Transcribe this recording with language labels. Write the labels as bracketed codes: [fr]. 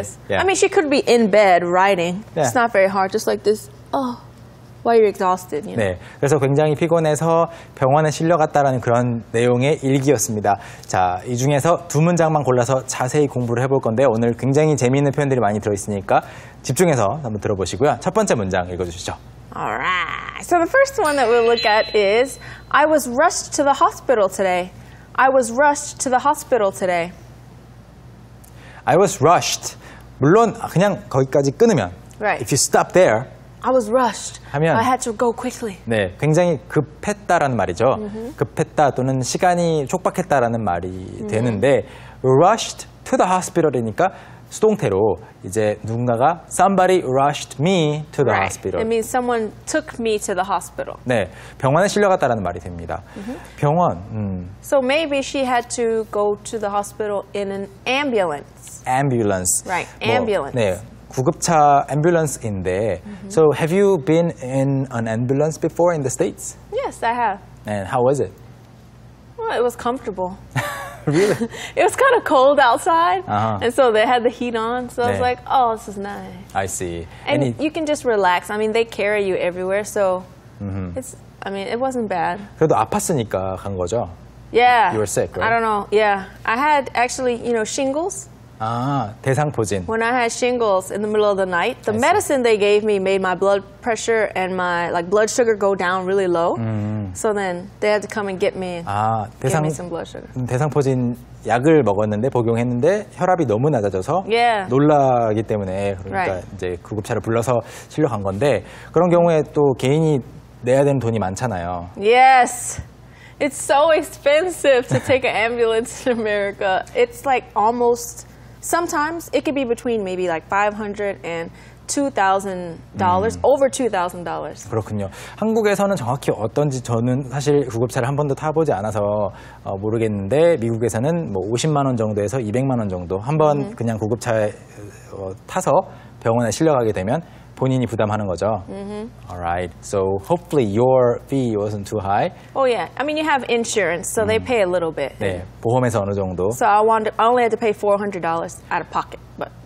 [en] is. Yeah. I mean, she could be in bed writing. Yeah. It's not very hard. Just like this. Oh, why you're exhausted? You know? [ko] 네. 그래서 굉장히 피곤해서 병원에 실려갔다라는 그런 내용의 일기였습니다. 자, 이 중에서 두 문장만 골라서 자세히 공부를 해볼 건데 오늘 굉장히 재미있는 표현들이 많이 들어있으니까 집중해서 한번 들어보시고요. 첫 번째 문장 읽어주시죠. [en] Alright. So the first one that we'll look at is I was rushed to the hospital today. I was rushed to the hospital today. I was rushed. [ko] 물론 그냥 거기까지 끊으면 [en] right. If you stop there, I was rushed. [ko] 하면, [en] I had to go quickly. [ko] 네, 굉장히 급했다라는 말이죠. Mm-hmm. 급했다 또는 시간이 촉박했다라는 말이 mm-hmm. 되는데 rushed to the hospital이니까 수동태로 이제 누군가가 [en] somebody rushed me to the right. hospital. It means someone took me to the hospital. [ko] 네, 병원에 실려갔다라는 말이 됩니다. Mm-hmm. 병원. [en] So maybe she had to go to the hospital in an ambulance. Ambulance. Right, ambulance. [ko] 뭐, 네. 구급차 ambulance인데, mm-hmm. [en] so have you been in an ambulance before in the States? Yes, I have. And how was it? Well, it was comfortable. Really? It was kind of cold outside, uh-huh. and so they had the heat on, so 네. I was like, oh, this is nice. I see. And you can just relax. I mean, they carry you everywhere, so it wasn't bad. [ko] 그래도 아팠으니까 간 거죠? [en] Yeah. You were sick, right? I don't know. Yeah. I had actually, you know, shingles. [ko] 아, 대상포진. [en] When I had shingles in the middle of the night, the medicine they gave me made my blood pressure and my like blood sugar go down really low. So then they had to come and get me. 아, get me some blood sugar. [ko] 대상포진 약을 먹었는데 복용했는데 혈압이 너무 낮아져서 [en] yeah. [ko] 놀라기 때문에 그러니까 [en] right. [ko] 이제 구급차를 불러서 실려 간 건데 그런 경우에 또 개인이 내야 되는 돈이 많잖아요. [en] Yes. It's so expensive to take an ambulance in America. It's like almost sometimes it could be between maybe like $500 and $2,000, over $2,000. [ko] 그렇군요. 한국에서는 정확히 어떤지 저는 사실 구급차를 한 번도 타보지 않아서 모르겠는데 미국에서는 뭐 50만 원 정도에서 200만 원 정도 한번 그냥 구급차에 타서 병원에 실려가게 되면 본인이 부담하는 거죠. Mm-hmm. [en] All right. So hopefully your fee wasn't too high. Oh yeah. I mean you have insurance, so they pay a little bit. [ko] 네, 보험에서 어느 정도. [en] So I only had to pay $400 out of pocket, but.